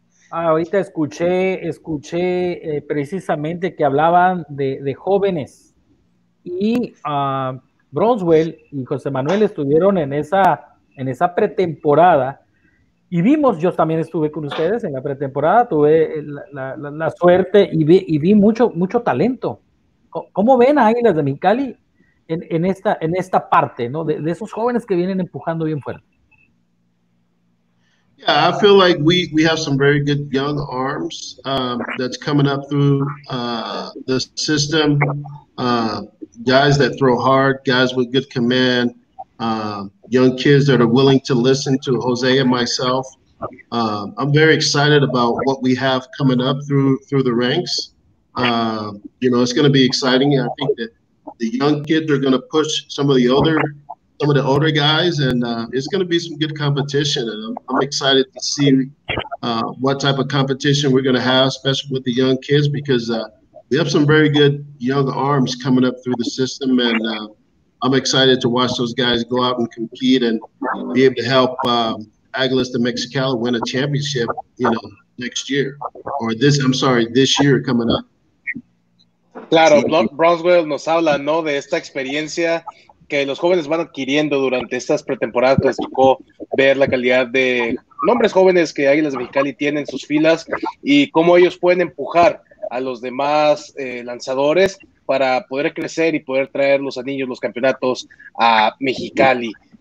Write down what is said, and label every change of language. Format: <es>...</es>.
<es>Ahorita escuché precisamente que hablaban de jóvenes, y Bronswell y José Manuel estuvieron en esa pretemporada, y vimos, yo también estuve con ustedes en la pretemporada, tuve la suerte y vi mucho, mucho talento. ¿Cómo ven a Águilas de Mexicali en esta parte, ¿no? De esos jóvenes que vienen empujando bien fuerte.</es> <en>Yeah, I feel like we have some very good young arms that's coming up through the system. Guys that throw hard, guys with good command, young kids that are willing to listen to Jose and myself. I'm very excited about what we have coming up through the ranks. You know, it's going to be exciting. I think that the young kids are going to push some of the older guys, and it's going to be some good competition. And I'm excited to see what type of competition we're going to have, especially with the young kids, because we have some very good young arms coming up through the system, and I'm excited to watch those guys go out and compete and be able to help Águilas de Mexicali win a championship, you know, next year. Or this, I'm sorry, this year coming up.</en> <es>Claro, Bronswell nos habla, ¿no?, de esta experiencia que los jóvenes van adquiriendo durante estas pretemporadas. Les tocó ver la calidad de nombres jóvenes que Águilas de Mexicali tienen en sus filas y cómo ellos pueden empujar a los demás lanzadores para poder crecer y poder traer los anillos, los campeonatos a Mexicali.</es>